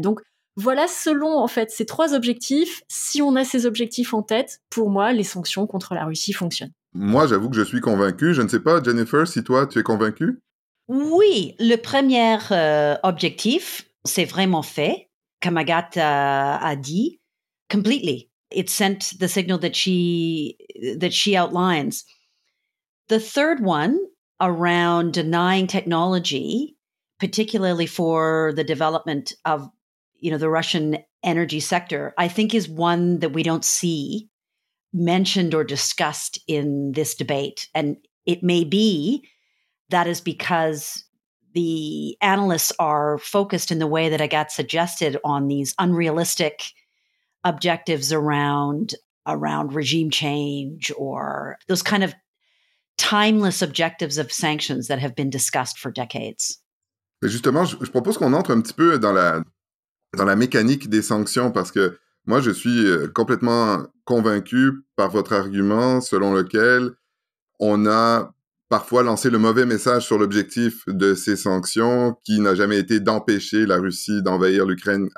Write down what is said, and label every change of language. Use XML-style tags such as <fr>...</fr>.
<fr>Donc voilà, selon en fait ces trois objectifs, si on a ces objectifs en tête, pour moi, les sanctions contre la Russie fonctionnent. Moi, j'avoue que je suis convaincue. Je ne sais pas, Jennifer, si toi, tu es convaincue? Oui, le premier objectif, c'est vraiment fait.</fr> <en>Kamagata a dit, completely. It sent the signal that she outlines. The third one, around denying technology, particularly for the development of, you know, the Russian energy sector, I think is one that we don't see mentioned or discussed in this debate. And it may be that is because the analysts are focused in the way that Agathe suggested on these unrealistic objectives around regime change or those kind of timeless objectives of sanctions that have been discussed for decades.</en> <fr>Mais justement, je propose qu'on entre un petit peu dans la mécanique des sanctions parce que moi, je suis complètement convaincu par votre argument selon lequel on a parfois lancé le mauvais message sur l'objectif de ces sanctions qui n'a jamais été d'empêcher la Russie d'envahir l'Ukraine.</fr>